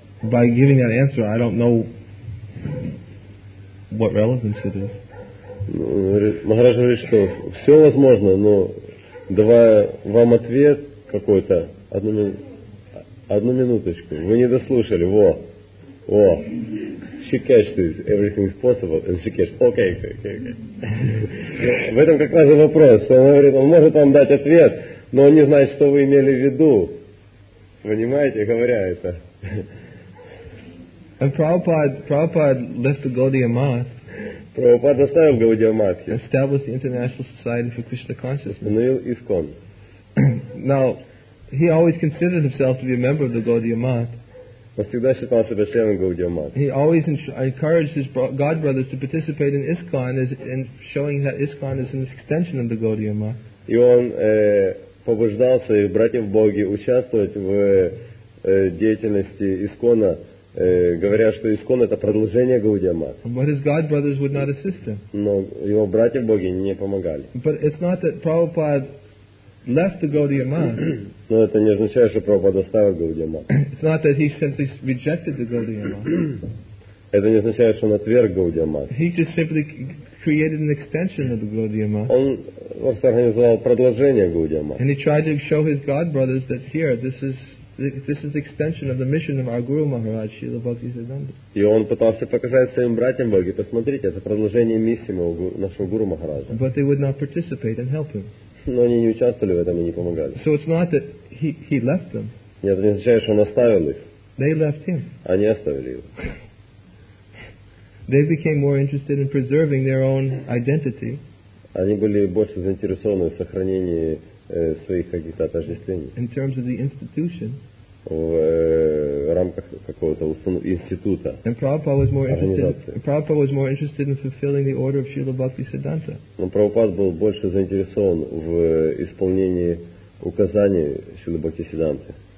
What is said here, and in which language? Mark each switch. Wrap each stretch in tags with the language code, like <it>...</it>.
<en>By giving that answer, I don't know what relevance it is.</en> <ru>Maharaj говорит, что все возможно, но давая вам ответ какой-то, одну минуточку. Вы не дослушали. Во. О,</ru> <en>she catches this, everything is possible, and she catches, okay.</en> <ru>В этом как раз и вопрос. Он говорит, он может вам дать ответ, но он не знает, что вы имели в виду. Понимаете, говоря это.</ru> <en>And Prabhupada left the Gaudiya Math.</en> <ru>Prabhupada оставил Gaudiya Math.</ru> <en>Established the International Society for Krishna Consciousness.</en> <ru>Установил ISKCON.</ru> <en>Now, he always considered himself to be a member of the Gaudiya Math.</en> <ru>Он всегда считал себя членом Gaudiya Math.</ru> <en>He always encouraged his god brothers to participate in ISKCON, in showing that ISKCON is an extension of the Gaudiya Math.</en> <ru>И он побуждал своих братьев Боги участвовать в деятельности ИСКОНа, говоря, что ИСКОН это продолжение Gaudiya Math.</ru> <en>But his god brothers would not assist him.</en> <ru>Но его братья Боги не помогали.</ru> <en>But it's not that Prabhupada left the Gaudiya Math.</en> <ru>Но это не означает, что Прабхупада оставил Gaudiya Math.</ru> <en>It's not that he simply rejected the Gaudiya Math.</en> <ru>Это не означает, что он отверг Gaudiya Math.</ru> <en>He just simply created an extension of the Gaudiya Math.</en> <ru>Он просто организовал продолжение Gaudiya Math.</ru> <en>And he tried to show his god brothers that here this is the extension of the mission of our Guru Maharaj Srila Bhakti Siddhanta.</en> <ru>И он пытался показать своим братьям Боги, посмотрите, это продолжение миссии нашего Гуру Махараджа.</ru> <en>But they would not participate and help him.</en> <ru>Но они не участвовали в этом и не помогали.</ru> <en>So it's not that he left them.</en> <ru>Нет, это не означает, что он оставил их.</ru> <en>They left him.</en> <ru>Они оставили его.</ru> <en>They became more interested in preserving their own identity.</en> <ru>Они были больше заинтересованы в сохранении своих каких-то отождествлений.</ru> <en>In terms of the institution.</en> <ru>В рамках какого-то института.</ru> <en>And Prabhupada was more interested in fulfilling the order of Srila Bhakti Siddhanta.</en> <ru>Но Прабхупад был больше заинтересован в исполнении указаний Шрилы Бхакти Сидданты.</ru>